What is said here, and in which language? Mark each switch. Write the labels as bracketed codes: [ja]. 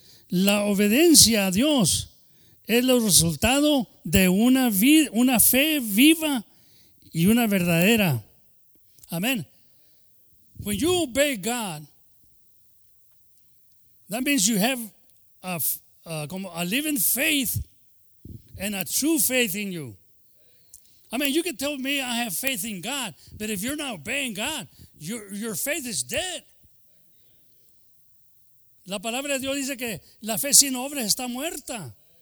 [es] La obediencia a Dios es el resultado de una fe viva y una verdadera. [en] Amen. When you obey God, that means you have a living faith and a true faith in you. I mean, you can tell me I have faith in God, but if you're not obeying God, your faith is dead. [es] La palabra de Dios dice que la fe sin obras está muerta.